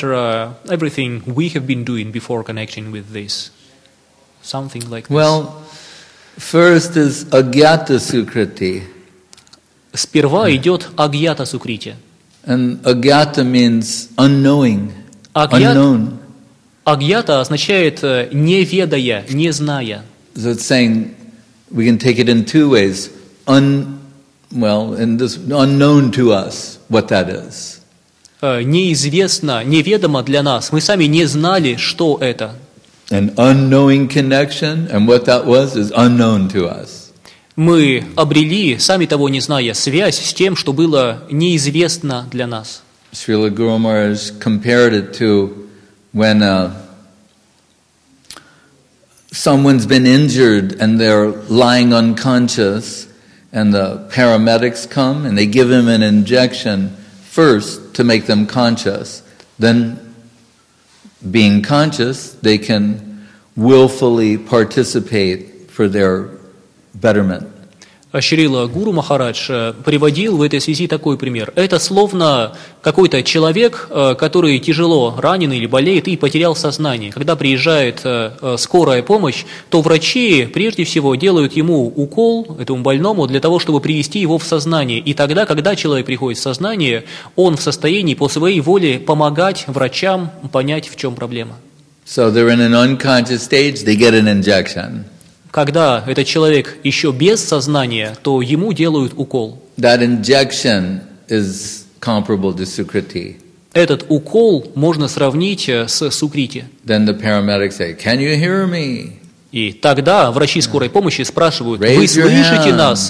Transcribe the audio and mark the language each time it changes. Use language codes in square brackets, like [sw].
[en] Everything we have been doing before connecting with this. Something like this. Well, first is Agyata Sukriti. [ru] Сперва идет Агьята Сукрити. [en] And Agyata means unknowing, unknown. [ru] Агьята означает «не ведая», «не зная». [en] So it's saying, we can take it in two ways. Unknown to us, what that is. [ru] Неизвестно, неведомо для нас. Мы сами не знали, что это. [en] An unknowing connection, and what that was, is unknown to us. [ru] Мы обрели, сами того не зная, связь с тем, что было неизвестно для нас. [en] Srila Guru Maharaj compared it to when someone's been injured and they're lying unconscious and the paramedics come and they give him an injection first to make them conscious. Then, being conscious, they can willfully participate for their betterment. [ru] Шрила Гуру Махарадж приводил в этой связи такой пример. Это словно какой-то человек, который тяжело ранен или болеет и потерял сознание. Когда приезжает скорая помощь, то врачи прежде всего делают ему укол, этому больному, для того, чтобы привести его в сознание. И тогда, когда человек приходит в сознание, он в состоянии по своей воле помогать врачам понять, в чем проблема. [en] So they're in an unconscious stage, they get an injection. [ru] Когда этот человек еще без сознания, то ему делают укол. [en] That injection is comparable to Sukriti. [ru] Этот укол можно сравнить с Сукрити. [en] Then the paramedics say, "Can you hear me?" [ru] И тогда врачи скорой помощи спрашивают, вы слышите нас?